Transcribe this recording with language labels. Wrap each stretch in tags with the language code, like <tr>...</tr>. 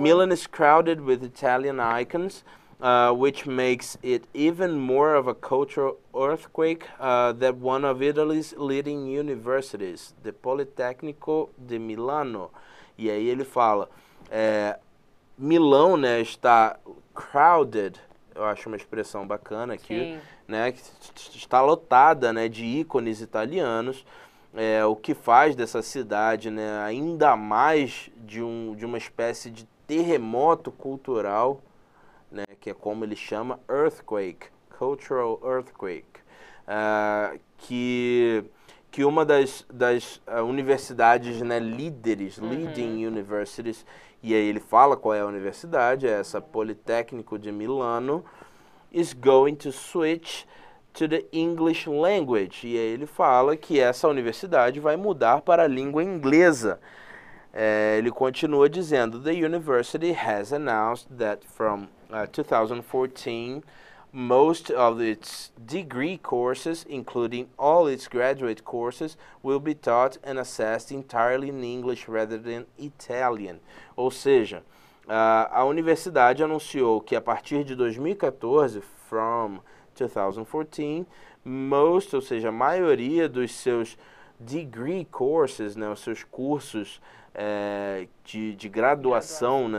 <en>Milan is crowded with Italian icons, which makes it even more of a cultural earthquake than one of Italy's leading universities, the Politecnico di Milano.</en> <pt>E aí ele fala. Milão, né, está crowded, eu acho uma expressão bacana aqui, Sim. né, está lotada, né, de ícones italianos, o que faz dessa cidade, né, ainda mais de uma espécie de terremoto cultural, né, que é como ele chama, earthquake,</pt> <en>cultural earthquake,</en> <pt>que uma das universidades, né, líderes,</pt> <en>leading universities.</en> <pt>E aí ele fala qual é a universidade, essa Politecnico de Milano</pt> <en>is going to switch to the English language.</en> <pt>E aí ele fala que essa universidade vai mudar para a língua inglesa. Ele continua dizendo:</pt> <en>The university has announced that from 2014, most of its degree courses, including all its graduate courses, will be taught and assessed entirely in English rather than Italian.</en> <pt>Ou seja, a universidade anunciou que a partir de 2014,</pt> <en>from 2014,</en> <pt>most, ou seja, a maioria dos seus</pt> <en>degree courses,</en> <pt>né, os seus cursos, de graduação,</pt>